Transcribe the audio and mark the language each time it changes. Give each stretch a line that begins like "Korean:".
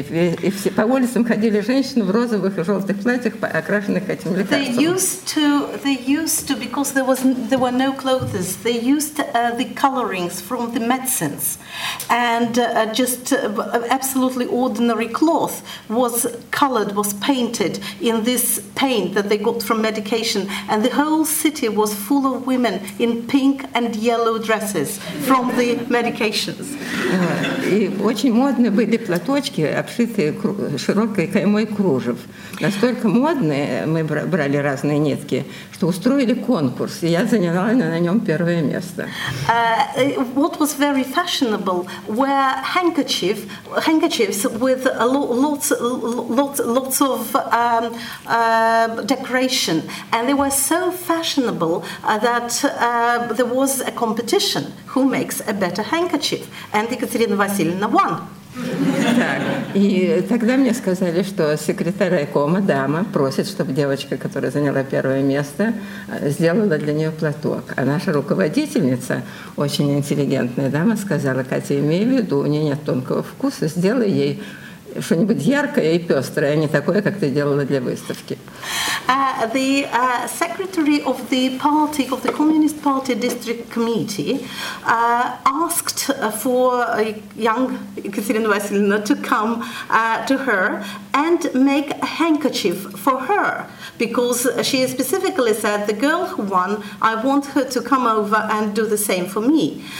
Russian: И все, по улицам ходили женщины в розовых и желтых платьях, окрашенных этим лекарством.
English: They used to, because there were no clothes, they used the colorings from the medicines. And just absolutely ordinary cloth was colored, was painted in this paint that they got from medication. And the whole city was full of women in pink and yellow dresses from the medication. restrictions.
Russian: И очень модные были платочки, обшитые широкой каймой кружев. Настолько модные, мы брали разные нитки, что устроили конкурс, и я заняла на нем первое место.
English: What was very fashionable were handkerchiefs with lots of decoration, and they were so fashionable that there was a competition who makes a better handkerchief, and Екатерина Васильевна won.
Russian: Так, и тогда мне сказали, что секретарь райкома, дама, просит, чтобы девочка, которая заняла первое место, сделала для нее платок. А наша руководительница, очень интеллигентная дама, сказала: Катя, имей в виду, у нее нет тонкого вкуса, сделай ей что-нибудь яркое и пестрое, а не такое, как ты делала для выставки.
English: The secretary of the party, of the Communist Party District Committee, asked for a young Екатерина Васильевна to come to her and make a handkerchief for her, because she specifically said, the girl who won, I want her to come over and do the same for me.